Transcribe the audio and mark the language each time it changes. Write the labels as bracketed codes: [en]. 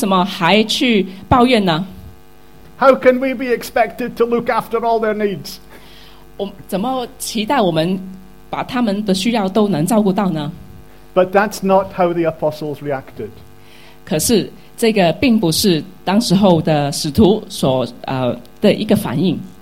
[zh] 这些外地人，他们来，我们也已经尽力去帮助他们了，可是他们为什么还去抱怨呢？ [en] How can we be expected to look after all their needs? [zh] 怎么期待我们把他们的需要都能照顾到呢？ [en] But that's not how the apostles reacted. [zh] 可是这个并不是当时候的使徒所的一个反应。